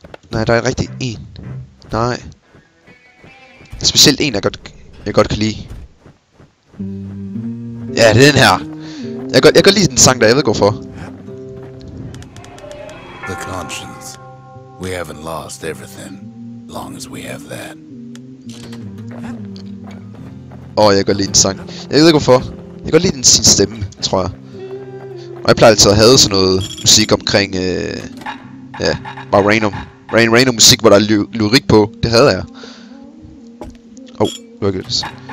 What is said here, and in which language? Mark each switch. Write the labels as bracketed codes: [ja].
[da] Nej, der er rigtig en. Nej. Specielt en, jeg godt kan lide. Ja, det er den her. Jeg kan lide den sang, der jeg ved hvorfor. [en] The conscience. We haven't lost everything, long as we have that. [da] Åh, jeg kan godt lide den sang. Jeg ved ikke hvorfor. Jeg kan godt lide sin stemme, tror jeg. Og jeg plejer altid at have sådan noget musik omkring, ja, bare random. Random musik, hvor der er lyrik på. Det havde jeg. Oh, lykkedes.